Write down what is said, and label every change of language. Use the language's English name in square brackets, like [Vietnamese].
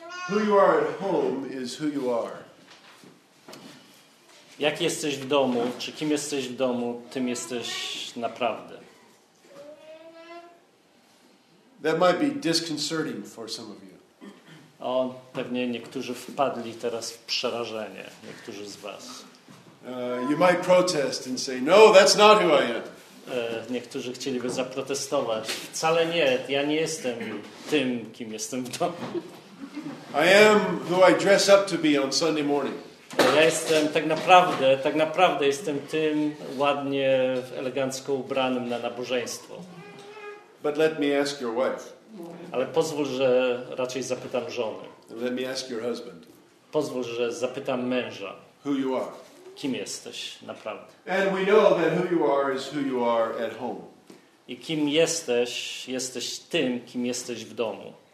[English] Who you are at home is who you are. [Polish] Jak jesteś w domu, czy kim jesteś w domu, tym jesteś naprawdę. [English] That might be disconcerting for some of you. [Polish] O, pewnie niektórzy wpadli teraz w przerażenie, niektórzy z was. [English] You might protest and say, no, that's not who I am. [Polish] Niektórzy chcieliby zaprotestować. Wcale nie, ja nie jestem tym, kim jestem w domu. [English] I am who I dress up to be on Sunday morning. [Polish] Ja jestem tak naprawdę jestem tym ładnie, elegancko ubranym na nabożeństwo. [English] But let me ask your wife. [Polish] Ale pozwól, że raczej zapytam żony. [English] Let me ask your husband. [Polish] Pozwól, że zapytam męża. [English] Who you are. [Polish] Kim jesteś naprawdę? [English] And we know that who you are is who you are at home. [Polish] I kim jesteś, jesteś tym, kim jesteś w domu.